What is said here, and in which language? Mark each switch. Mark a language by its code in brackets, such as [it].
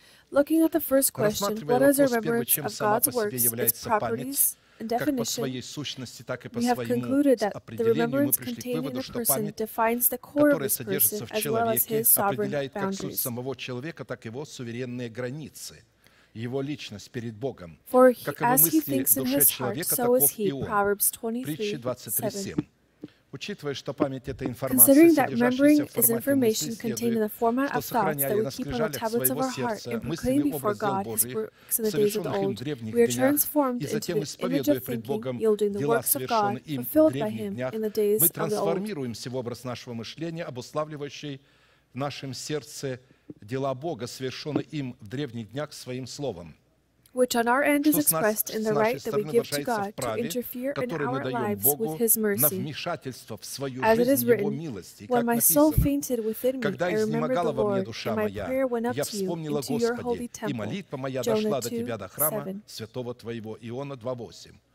[en] Looking at the first question, what is a remembrance of God's works, its properties and definition, we have concluded that the remembrance contained in a person defines the core of his person as well as his sovereign boundaries. [ru] Его личность перед Богом. [en] For [ru] каковы мысли в душе человека, таков и он. Притчи 23:7. Учитывая, что память — это информация, содержащаяся в формате мысли, следует, что сохраняли на скрижалях своего сердца мыслями образом Божиим, совершенных им в древних днях, и затем, исповедуя пред Богом дела, совершенные им в древних днях, мы трансформируемся в образ нашего мышления, обуславливающий в нашем сердце дела Бога, совершенные им в древних днях своим словом. [en] Which on our end is expressed in the right that we give to God to interfere in our lives with His mercy. As it is written, when my soul fainted within me, I remembered the Lord, and my prayer went up to you into your holy temple. Jonah 2:7.